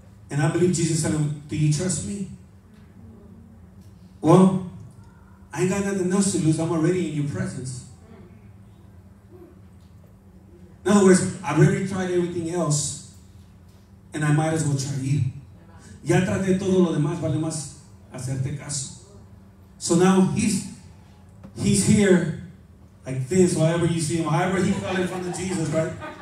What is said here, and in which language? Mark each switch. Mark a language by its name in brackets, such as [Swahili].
[English] And I believe Jesus said, do you trust me? Well, I ain't got nothing else to lose. I'm already in your presence. In other words, I've already tried everything else, and I might as well try you. [Spanish] Ya traté todo lo demás, vale más hacerte caso. [English] So now he's here like this, however you see him, however he fell in front of Jesus, right?